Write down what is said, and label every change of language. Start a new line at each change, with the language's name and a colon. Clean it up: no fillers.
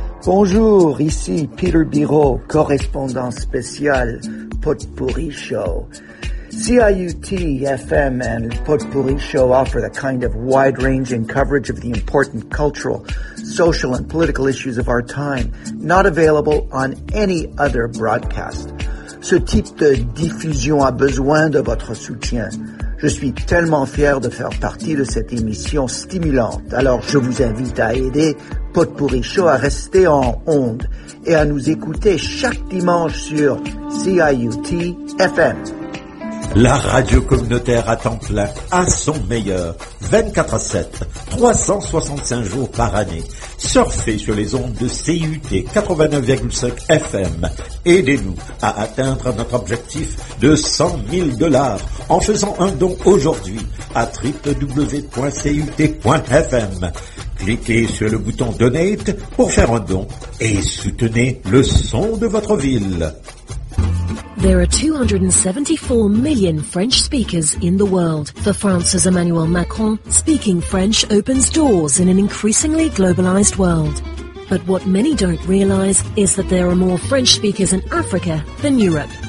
French: Bonjour, ici Peter Biraud, correspondant spécial Potpourri Show.
English: CIUT-FM and Potpourri Show offer the kind of wide-ranging coverage of the important cultural, social, and political issues of our time, not available on any other broadcast.
French: Ce type de diffusion a besoin de votre soutien. Je suis tellement fier de faire partie de cette émission stimulante. Alors, je vous invite à aider Potpourri Show à rester en onde et à nous écouter chaque dimanche sur CIUT-FM. La radio communautaire à temps plein, à son meilleur, 24/7, 365 jours par année. Surfez sur les ondes de CIUT 89,5 FM. Aidez-nous à atteindre notre objectif de $100,000 en faisant un don aujourd'hui à www.ciut.fm. Cliquez sur le bouton « Donate » pour faire un don et soutenez le son de votre ville.
English: There are 274 million French speakers in the world. For France's Emmanuel Macron, speaking French opens doors in an increasingly globalized world. But what many don't realize is that there are more French speakers in Africa than Europe.